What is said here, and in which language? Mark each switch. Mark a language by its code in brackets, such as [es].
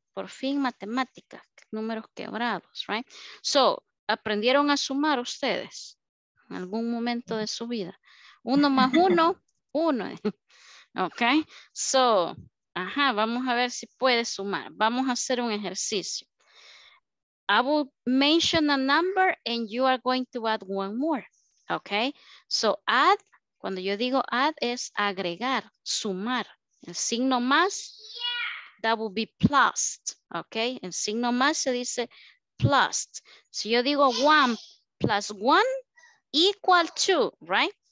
[es] Por fin, matemáticas, números quebrados, right? So, ¿aprendieron a sumar ustedes en algún momento de su vida? Uno más uno, uno. Ok, so, ajá, vamos a ver si puede sumar. Vamos a hacer un ejercicio. [en] I will mention a number and you are going to add one more. [es] Ok, so add, cuando yo digo add es agregar, sumar. El signo más, [en] that will be plus. [es] Ok, el signo más se dice plus. Si yo digo 1 + 1 = 2, right?